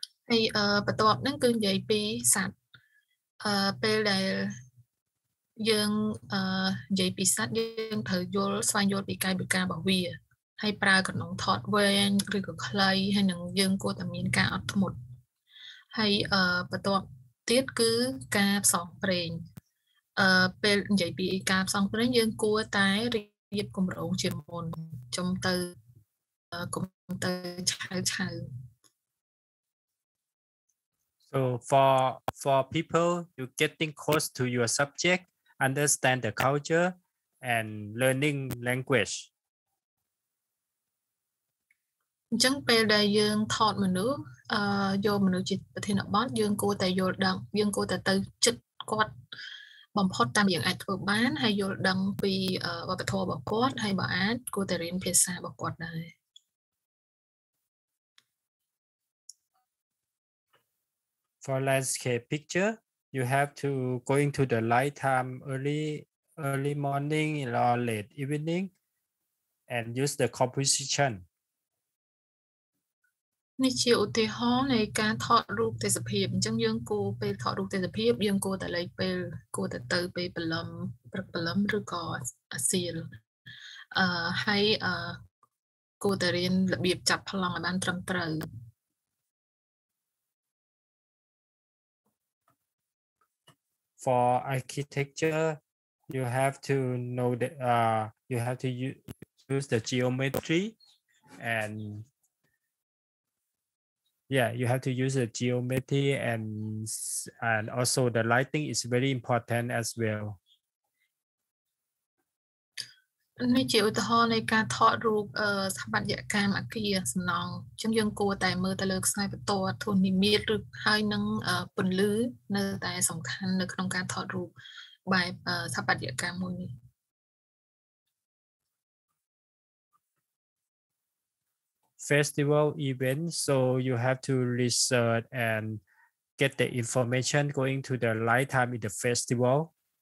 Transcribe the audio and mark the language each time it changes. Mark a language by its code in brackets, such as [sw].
[km] ហើយបន្ទាប់ហ្នឹងគឺនិយាយពីសត្វពេលដែលយើងនិយាយពីសត្វយើងត្រូវយល់ស្វែងយល់ពីកាយវិការរបស់វាហើយប្រើកណ្ដុងថតវែងឬក៏ខ្លីហើយនឹងយើងគួរតែមានការអត់ធ្មត់ហើយបន្ទាប់ទៀតគឺការផ្សងព្រេងពេលនិយាយពីការផ្សងព្រេងយើងគួរតែរៀបគម្រោងជាមុនចំទៅកុំទៅឆៅឆៅ [en] So for people you getting close to your subjectunderstand the culture and learning language [km] អញ្ចឹងពេលដែលយើងថតមនុស្សយកមនុស្សជាប្រធានបទយើងគួរតែយល់ដឹងយើងគួរតែទៅចិត្តគាត់បំផុតតាមយើងអាចធ្វើបានហើយយល់ដឹងពីវប្បធម៌របស់គាត់ហើយបើអាចគួរតែរៀនភាសារបស់គាត់ដែរ [en] For landscape picture, you have to going to the light time early morning or late evening and use the composition. [km] នេះជាឧទាហរណ៍នៃការថតរូបទេសភាពអញ្ចឹងយើងគួរពេលថតរូបទេសភាពយើងគួរតែលេខពេលគួរតែទៅពេលព្រលឹមព្រឹកព្រលឹមឬក៏អាសៀលហើយគួរតែរៀនរបៀបចាប់ប្លង់ឲ្យបានត្រឹមត្រូវ [en] For architecture, you have to know that you have to use the geometry and yeah, you have to use the geometry and also the lighting is very important as well. [km] នេះជាឧទាហរណ៍នៃការថតរូបស្ថាបត្យកម្មអគារសំណង់អញ្ចឹងយើងគួរតែមើលទៅលើខ្សែបន្ទាត់ធូលីមាត្រឬហើយនឹងពន្លឺនៅតែសំខាន់នៅក្នុងការថតរូបបែបស្ថាបត្យកម្មមួយនេះ [en] Festival event so you have to research and get the information going to the light time in the festival